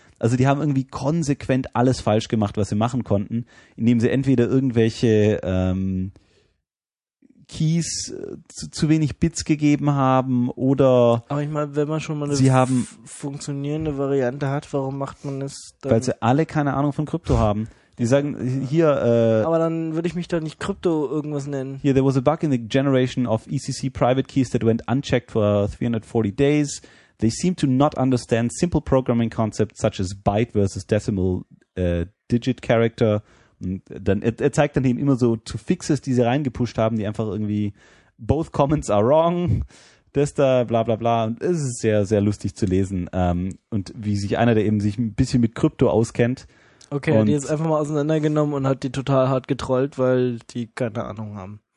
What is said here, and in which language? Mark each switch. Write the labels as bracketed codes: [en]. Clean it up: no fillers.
[de] Also die haben irgendwie konsequent alles falsch gemacht, was sie machen konnten, indem sie entweder irgendwelche Keys zu wenig Bits gegeben haben oder... Aber ich meine, wenn man schon mal eine funktionierende Variante hat, warum macht man es dann? Weil sie alle keine Ahnung von Krypto haben. Die sagen, hier... Aber dann würde ich mich doch nicht Krypto irgendwas nennen. [en] Here, there was a bug in the generation of ECC private keys that went unchecked for 340 days. They seem to not understand simple programming concepts such as byte versus decimal digit character. [de] Und dann, er zeigt dann eben immer so zu Fixes, die sie reingepusht haben, die einfach irgendwie [en] both comments are wrong, [de] das da, bla bla bla, und es ist sehr, sehr lustig zu lesen. Und wie sich einer, der eben sich ein bisschen mit Krypto auskennt. Okay, und die ist einfach mal auseinandergenommen und hat die total hart getrollt, weil die keine Ahnung haben.